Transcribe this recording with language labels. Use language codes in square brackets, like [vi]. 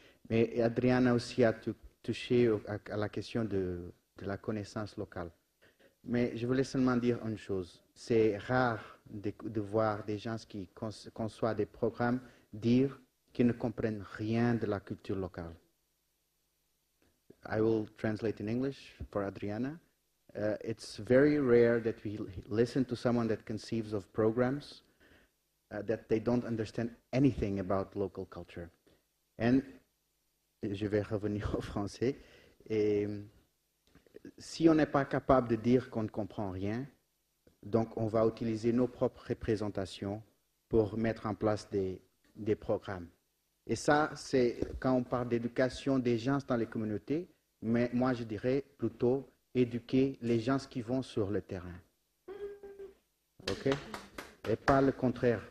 [fr] Mais Adriana aussi a touché à la question de la connaissance locale. Mais je voulais seulement dire une chose. C'est rare de voir des gens qui conçoivent des programmes dire qu'ils ne comprennent rien de la culture locale. [en] I will translate in English for Adriana. It's very rare that we listen to someone that conceives of programs that they don't understand anything about local culture. And [fr] je vais revenir au français. Et si on n'est pas capable de dire qu'on ne comprend rien, donc on va utiliser nos propres représentations pour mettre en place des programmes. Et ça, c'est quand on parle d'éducation des gens dans les communautés, mais moi je dirais plutôt éduquer les gens qui vont sur le terrain. OK? Et pas le contraire.